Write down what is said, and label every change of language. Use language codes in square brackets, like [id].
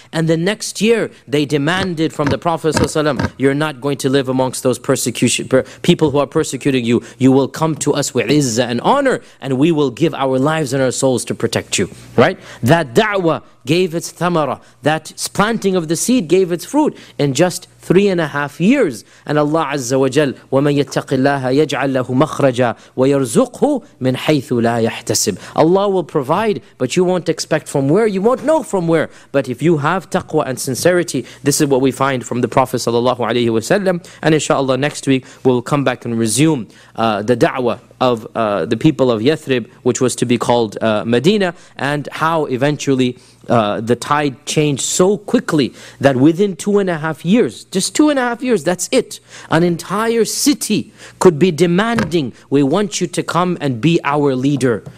[en] And the next year, they demanded from the Prophet ﷺ, you're not going to live amongst those people who are persecuting you. You will come to us with izzah and honor, and we will give our lives and our souls to protect you. Right? That da'wah gave its thamara. That planting of the seed gave its fruit in just 3.5 years. And Allah Azza wa Jal, [ar] وَمَنْ يَتَّقِ اللَّهَ يَجْعَلْ لَهُ مَخْرَجًا وَيَرْزُقْهُ مِنْ حَيْثُ لَا يَحْتَسِبُ. [en] Allah will provide, but you won't expect from where, you won't know from where. But if you have taqwa and sincerity, this is what we find from the Prophet sallallahu alayhi wa sallam. And inshaAllah next week, we'll come back and resume the da'wah of the people of Yathrib, which was to be called Medina, and how eventually the tide changed so quickly that within 2.5 years, just 2.5 years, that's it, an entire city could be demanding, we want you to come and be our leader.